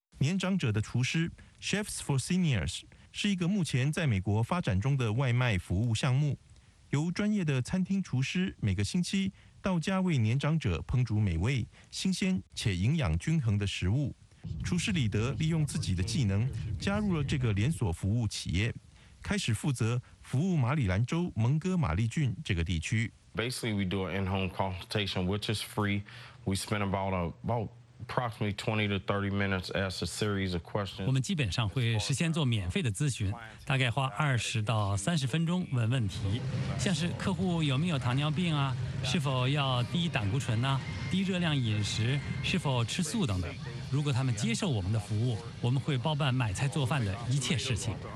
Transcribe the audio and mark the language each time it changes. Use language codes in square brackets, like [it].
[zh] 年长者的厨师 Chefs for Seniors 是一个目前在美国发展中的外卖服务项目，由专业的餐厅厨师每个星期到家为年长者烹煮美味、新鲜且营养均衡的食物。厨师李德利用自己的技能加入了这个连锁服务企业，开始负责服务马里兰州蒙哥马利郡这个地区。 [en] Basically, we do an in-home consultation, which is free. We spend about approximately 20 to 30 minutes, ask a series of questions. [zh] 我们基本上会事先做免费的咨询，大概花20到30分钟问问题，像是客户有没有糖尿病啊，是否要低胆固醇啊，低热量饮食，是否吃素等等。如果他们接受我们的服务，我们会包办买菜做饭的一切事情。